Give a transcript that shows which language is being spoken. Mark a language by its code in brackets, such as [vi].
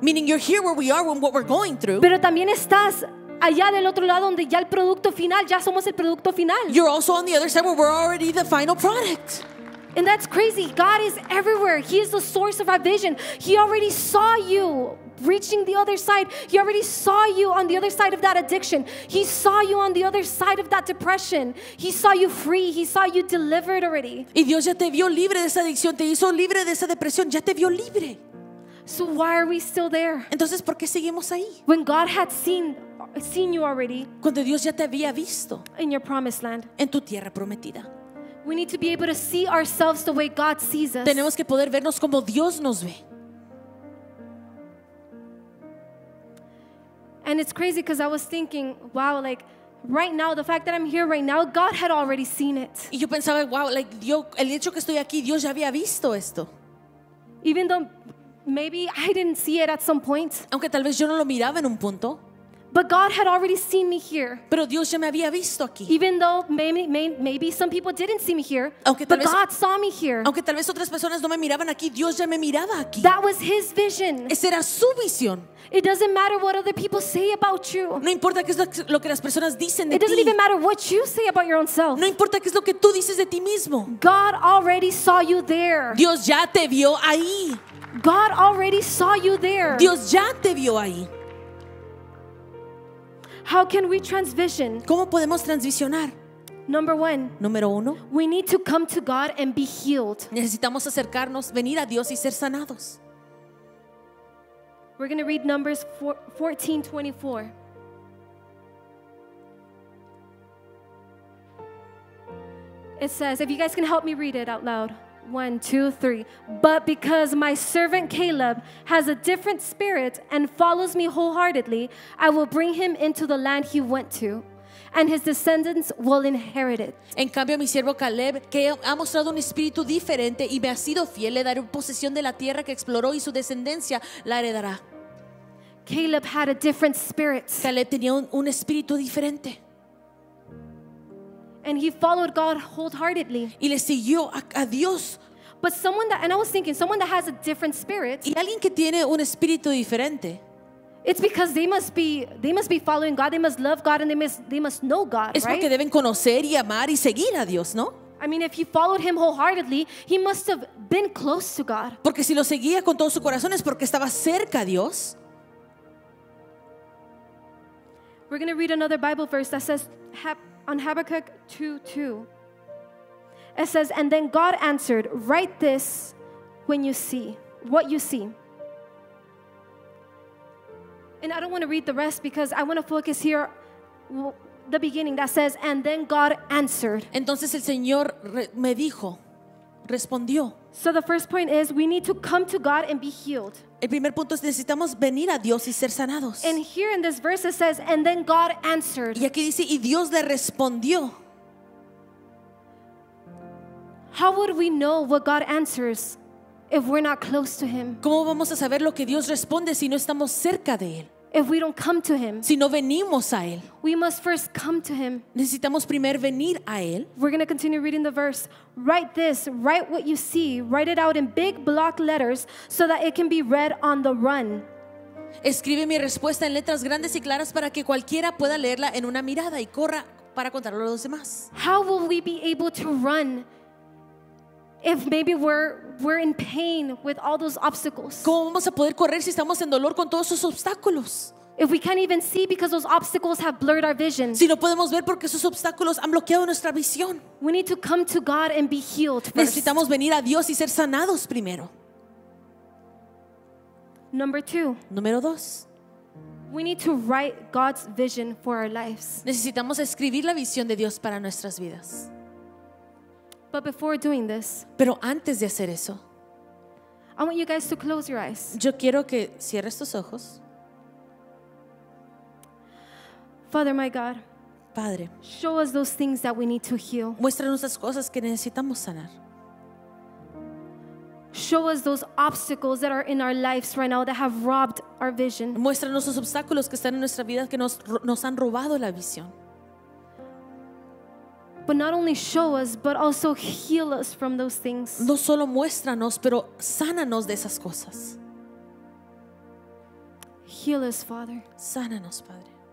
[en] Meaning you're here where we are and what we're going through. [es] Pero también estás allá del otro lado donde ya el producto final, ya somos el producto final. [en] You're also on the other side where we're already the final product. And that's crazy. God is everywhere. He is the source of our vision. He already saw you reaching the other side. He already saw you on the other side of that addiction. He saw you on the other side of that depression. He saw you free. He saw you delivered already. [es] Y Dios ya te vio libre de esa adicción. Te hizo libre de esa depresión. Ya te vio libre. [en] So why are we still there? [es] Entonces, ¿por qué seguimos ahí? [en] When God had seen you already. [es] Cuando Dios ya te había visto. [en] In your promised land. [es] En tu tierra prometida. [en] We need to be able to see ourselves the way God sees us. [es] Tenemos que poder vernos como Dios nos ve. [en] And it's crazy because I was thinking, wow, like right now, the fact that I'm here right now, God had already seen it. [es] Y yo pensaba, wow, like yo, el hecho que estoy aquí, Dios ya había visto esto. [en] Even though maybe I didn't see it at some point. [es] Aunque tal vez yo no lo miraba en un punto. [en] But God had already seen me here. [es] Pero Dios ya me había visto aquí. [en] Even though maybe some people didn't see me here, but God saw me here. [es] Aunque tal vez otras personas no me miraban aquí, Dios ya me miraba aquí. [en] That was His vision. [es] Esa era su visión. [en] It doesn't matter what other people say about you. [es] No importa qué es lo que las personas dicen de ti. [en] It doesn't even matter what you say about your own self. [es] No importa qué es lo que tú dices de ti mismo. [en] God already saw you there. [es] Dios ya te vio ahí. [en] God already saw you there. [es] Dios ya te vio ahí. [en] How can we transvision? [es] ¿Cómo podemos transicionar? [en] Number one. [es] Número uno. [en] We need to come to God and be healed. [es] Necesitamos acercarnos, venir a Dios y ser sanados. [en] We're going to read Numbers 14:24. It says, if you guys can help me read it out loud. 1, 2, 3. But because my servant Caleb has a different spirit and follows me wholeheartedly, I will bring him into the land he went to, and his descendants will inherit it. [es] En cambio, mi siervo Caleb, que ha mostrado un espíritu diferente y me ha sido fiel, le daré posesión de la tierra que exploró y su descendencia la heredará. [en] Caleb had a different spirit. [es] Caleb tenía un espíritu diferente. [en] And he followed God wholeheartedly. [es] Y le siguió a Dios. [en] But someone that, and I was thinking, someone that has a different spirit. [es] Y alguien que tiene un espíritu diferente. [en] It's because they must be following God. They must love God, and they must know God. [es] Es porque deben conocer y amar y seguir a Dios, ¿no? [en] I mean, if he followed him wholeheartedly, he must have been close to God. [es] Porque si lo seguía con todo su corazón es porque estaba cerca a Dios. [en] We're going to read another Bible verse that says on Habakkuk 2:2. It says, and then God answered, write this when you see what you see. And I don't want to read the rest because I want to focus here the beginning that says, and then God answered. [es] Entonces el Señor me dijo, respondió. [en] So the first point is we need to come to God and be healed. [es] El primer punto es necesitamos venir a Dios y ser sanados. [en] And here in this verse it says, and then God answered. [es] Y aquí dice, y Dios le respondió. [en] How would we know what God answers if we're not close to him? [es] ¿Cómo vamos a saber lo que Dios responde si no estamos cerca de él? [en] If we don't come to him, [es] si no venimos a él, [en] we must first come to him. [es] Necesitamos primer venir a él. [en] We're going to continue reading the verse. Write this, write what you see, write it out in big block letters so that it can be read on the run. [es] Escribe mi respuesta en letras grandes y claras para que cualquiera pueda leerla en una mirada y corra para contarlo a los demás. [en] How will we be able to run if maybe we're in pain with all those obstacles? [es] ¿Cómo vamos a poder correr si estamos en dolor con todos esos obstáculos? [en] If we can't even see because those obstacles have blurred our vision. [es] Si no podemos ver porque esos obstáculos han bloqueado nuestra visión. [en] We need to come to God and be healed first. [es] Necesitamos venir a Dios y ser sanados primero. [en] Number two. [es] Número dos. [en] We need to write God's vision for our lives. [es] Necesitamos escribir la visión de Dios para nuestras vidas. [en] But before doing this, [es] pero antes de hacer eso, [en] I want you guys to close your eyes. [es] Yo quiero que cierres tus ojos. [en] Father, my God, [es] Padre, [en] show us those things that we need to heal. [es] Muéstranos las cosas que necesitamos sanar. [en] Show us those obstacles that are in our lives right now that have robbed our vision. [es] Muéstranos los obstáculos que están en nuestra vida que nos han robado la visión. [en] But not only show us, but also heal us from those things. [es] No solo muéstranos, pero sánanos de esas cosas. [en] Heal us, Father. [es] Sánanos, Padre.